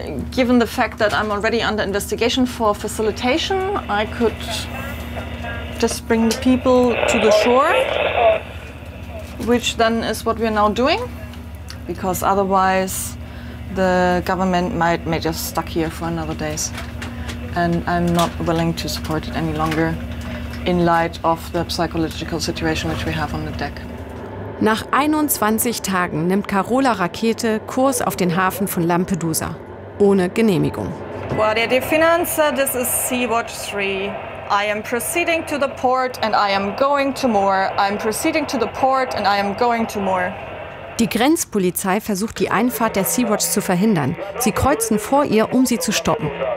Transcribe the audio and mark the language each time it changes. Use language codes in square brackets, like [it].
[en] Given the fact that I'm already under investigation for facilitation, I could just bring the people to the shore, which then is what we are now doing, because otherwise the government might make us stuck here for another days. And I'm not willing to support it any longer in light of the psychological situation which we have on the deck. [de] Nach 21 Tagen nimmt Carola Rackete Kurs auf den Hafen von Lampedusa. Ohne Genehmigung. [en] Guardia di Finanza, this is Sea-Watch 3. I am proceeding to the port and I am going to more. I'm proceeding to the port and I am going to more. [de] Die Grenzpolizei versucht, die Einfahrt der Sea-Watch zu verhindern. Sie kreuzen vor ihr, um sie zu stoppen.